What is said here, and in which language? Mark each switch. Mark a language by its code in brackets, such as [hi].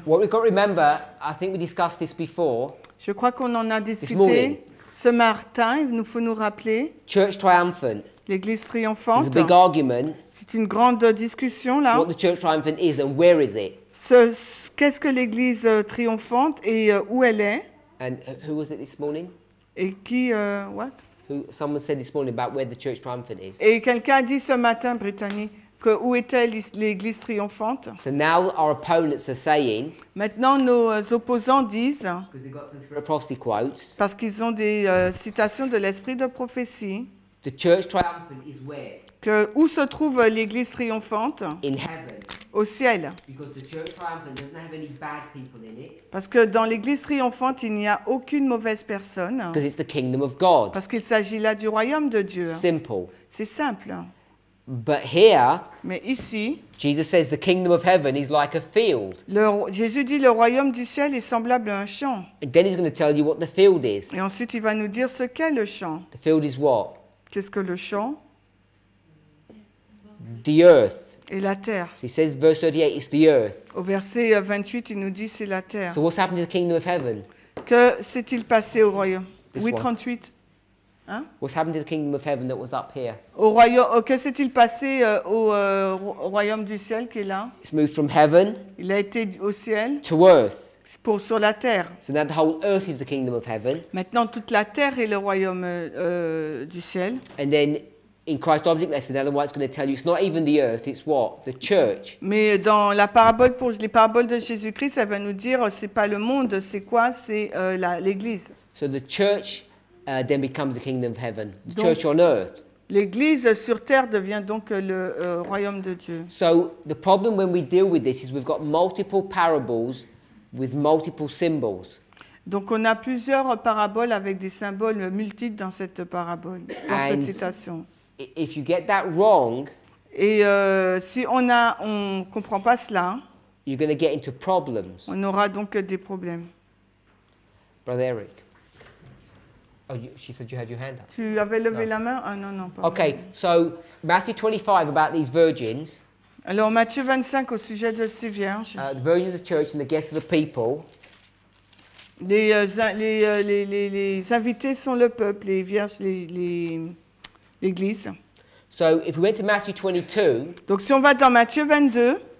[en] What we've got to remember, I think we discussed this before. [fr] Je crois qu'on en a discuté ce matin, il nous faut nous rappeler. [en] Church triumphant. [fr] L'église triomphante. [en] It's a big argument. [fr] C'est une grande discussion là. [en] What the church triumphant is and where is it? [fr] Qu'est-ce que l'église triomphante et où elle est? [en] And who was it this morning? [fr] Et qui, what? [en] Who someone said this morning about where the church triumphant is. [fr] Et quelqu'un a dit ce matin, Brittany, que où était l'église triomphante. [en] So now our opponents are saying. [fr] Maintenant nos opposants disent. [en] Because they've got some spirit of prophecy quotes. [fr] Parce qu'ils ont des citations de l'esprit de prophétie. [en] The church triumphant is where. [fr] Que où se trouve l'église triomphante. [en] In heaven. [fr] Au ciel. [en] Because the church triumphant doesn't have any bad people in it. [fr] Parce que dans l'église triomphante, il n'y a aucune mauvaise personne. [en] Because it's the kingdom of God. [fr] Parce qu'il s'agit là du royaume de Dieu. [en] Simple. [fr] C'est simple. [en] But here, [fr] mais ici, [en] Jesus says the kingdom of heaven is like a field. [fr] Jésus dit le royaume du ciel est semblable à un champ. [en] And then he's going to tell you what the field is. [fr] Et ensuite, il va nous dire ce qu'est le champ. [en] The field is what? [fr] Qu'est-ce que le champ? [en] The earth. [fr] Et la terre. [en] So he says verse 38 is the earth. [fr] Au verset 28, il nous dit c'est la terre. [en] So what's happened to the kingdom of heaven? [fr] Que s'est-il passé au royaume? This oui, 38. Hein? [en] What's happened to the kingdom of heaven that was up here? [fr] Au royaume, que s'est-il passé au royaume du ciel qui est là? [en] It's moved from heaven. [fr] Il a été au ciel. [en] To earth. [fr] Pour sur la terre. [en] So now the whole earth is the kingdom of heaven. [fr] Maintenant toute la terre est le royaume du ciel. [en] And then in Christ's object lesson, Ellen White's going to tell you it's not even the earth; it's what the church. [fr] Mais dans la parabole pour les paraboles de Jésus-Christ, elle va nous dire c'est pas le monde, c'est quoi? C'est l'Église. [en] So the church then becomes the kingdom of heaven. The donc, church on earth. [fr] L'Église sur terre devient donc le royaume de Dieu. [en] So the problem when we deal with this is we've got multiple parables with multiple symbols. [fr] Donc on a plusieurs paraboles avec des symboles multiples dans cette parabole, dans cette citation. [en] If you get that wrong, [fr] et si on comprend pas cela, [en] you're going to get into problems. [fr] On aura donc des problèmes. [en] Brother Eric, oh, she said you had your hand up. [fr] Tu avais levé la main? Ah non, pas. [en] Okay, [fr] vrai. [en] So Matthew 25 about these virgins. [fr] Alors Matthieu 25 au sujet de ces vierges. [en] The virgin of the church and the guests of the people. [fr] Les invités sont le peuple, les vierges, l'église. [en] So if we went to Matthew 22. [fr] Donc si on va dans Matthieu 22.